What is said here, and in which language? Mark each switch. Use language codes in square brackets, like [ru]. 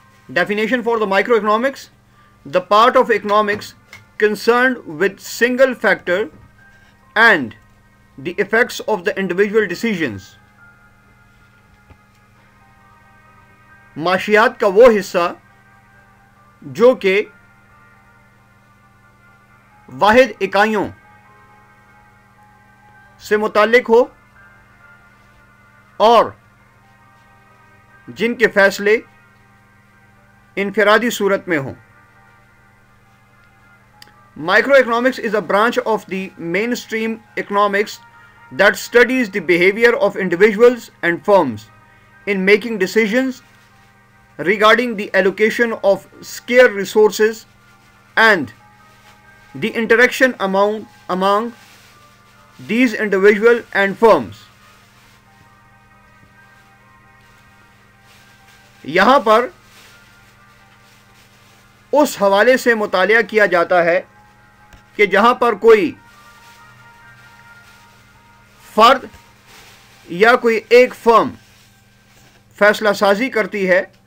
[en] Definition for the microeconomics, the part of economics concerned with single factor and the effects of the individual decisions. [ur] معاشیات کا وہ حصہ جو کہ واحد اکائیوں سے متعلق ہو اور جن کے فیصلے انفرادی صورت میں ہوں. [en] Microeconomics is a branch of the mainstream economics that studies the behaviour of individuals and firms in making decisions regarding the allocation of scarce resources and the interaction among these individual and firms. [ur] یہاں پر اس حوالے سے مطالعہ کیا جاتا ہے کہ جہاں پر کوئی فرد یا کوئی ایک فرم فیصلہ سازی کرتی ہے